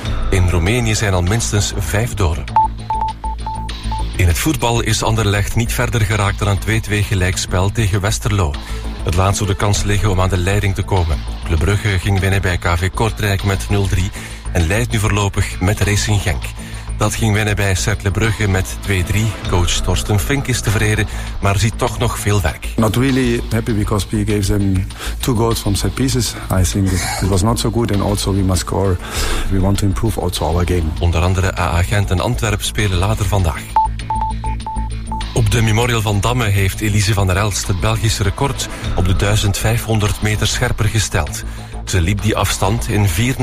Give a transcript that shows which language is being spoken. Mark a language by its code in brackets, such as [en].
[nl] In Roemenië zijn al minstens 5 doden. In het voetbal is Anderlecht niet verder geraakt dan een 2-2 gelijkspel tegen Westerlo. Het laat zo de kans liggen om aan de leiding te komen. Club Brugge ging winnen bij KV Kortrijk met 0-3 en leidt nu voorlopig met Racing Genk. Dat ging winnen bij Cercle Brugge met 2-3. Coach Thorsten Fink is tevreden, maar ziet toch nog veel werk. [en] Not really happy because we gave them 2 goals from set pieces. I think it was not so good and also we must score. We want to improve also our game. [nl] Onder andere AA Gent en Antwerp spelen later vandaag. Op de Memorial van Damme heeft Elise van der Elst het Belgische record op de 1500 meter scherper gesteld. Ze liep die afstand in 4:01:26.